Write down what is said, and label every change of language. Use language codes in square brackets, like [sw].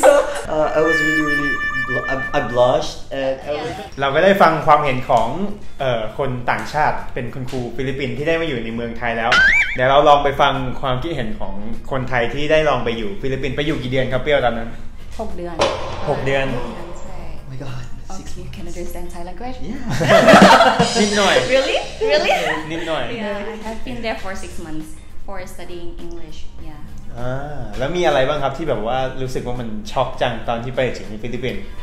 [en] So I was really I blushed. [th] เราไปได้ฟังความเห็นของคนต่างชาติเป็นคุณครูฟิลิปปินส์ที่ได้มาอยู่ในเมืองไทยแล้วเดี๋ยวเราลองไปฟังความคิดเห็นของคนไทยที่ได้ลองไปอยู่ฟิลิปปินส์ไปอยู่กี่เดือนครับเปรี้ยวตอนนั้น 6 เดือน [en] Oh my god. You can understand Thai language? Yeah. Nimnoy. Really? Nimnoy. Yeah, I've been there for 6 months for studying English. Yeah. [th] แล้วมีอะไรบ้างครับที่แบบว่ารู้สึกว่ามันช็อกจังตอนที่ไปถึงฟิลิปปินส